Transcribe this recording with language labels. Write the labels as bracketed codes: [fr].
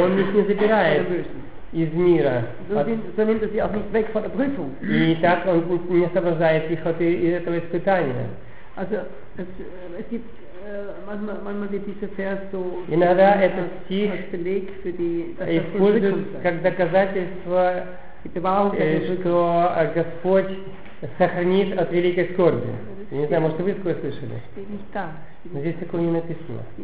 [ru] Он их не забирает из мира. [de] So nimmt er sie auch nicht weg von der Prüfung. [ru] И так он не освобождает их от этого испытания. [de] Also, es gibt manchmal wird dieser Vers so [ru] иногда этот стих [de] als Beleg für die, [ru] использует как доказательство, что Господь сохранит от великой скорби. Я не знаю, может, вы такое слышали? Но здесь такого не написано.